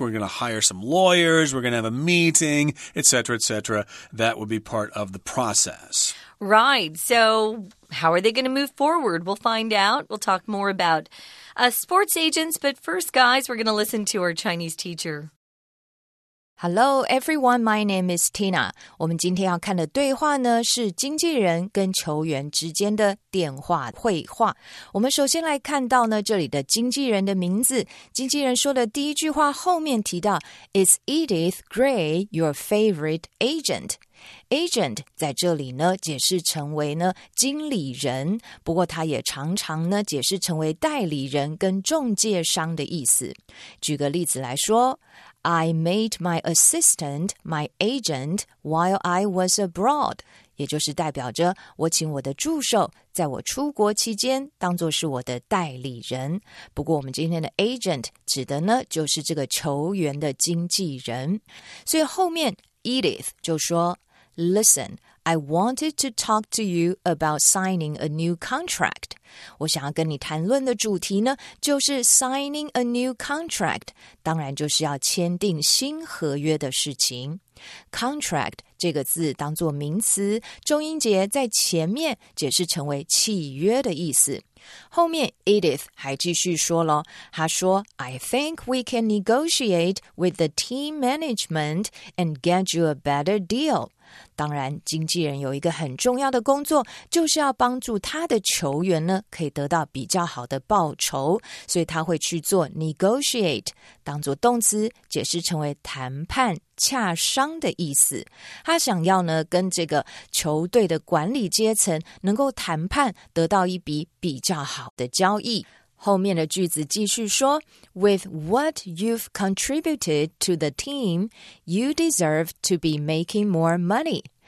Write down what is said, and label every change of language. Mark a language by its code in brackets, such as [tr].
[en] We're going to hire some lawyers. We're going to have a meeting, et cetera, et cetera. That would be part of the process. Right. So how are they going to move forward? We'll find out. We'll talk more about sports agents. But first, guys, we're going to listen to our Chinese teacher. Hello, everyone. My name is Tina. [zh] 我们今天要看的对话呢，是经纪人跟球员之间的电话会话。我们首先来看到呢，这里的经纪人的名字。经纪人说的第一句话后面提到 ， [en] Is Edith Gray your favorite agent? [zh] Agent 在这里呢解释成为呢经理人，不过他也常常呢解释成为代理人跟中介商的意思。举个例子来说， [en] I made my assistant my agent while I was abroad， [zh] 也就是代表着我请我的助手在我出国期间当作是我的代理人。不过我们今天的 agent 指的呢就是这个球员的经纪人。所以后面Edith 就说 [en] Listen, I wanted to talk to you about signing a new contract. [zh] 我想要跟你谈论的主题呢就是 [en] signing a new contract, [zh] 当然就是要签订新合约的事情。 Contract 这个字当作名词，重音节在前面解释成为契约的意思。后面 Edith 还继续说了，她说 [en] I think we can negotiate with the team management and get you a better deal. [zh] 当然，经纪人有一个很重要的工作，就是要帮助他的球员呢，可以得到比较好的报酬，所以他会去做 negotiate， 当作动词，解释成为谈判、洽商的意思。他想要呢，跟这个球队的管理阶层能够谈判，得到一笔比较好的交易。后面的句子继续说 [en] ,With what you've contributed to the team, you deserve to be making more money.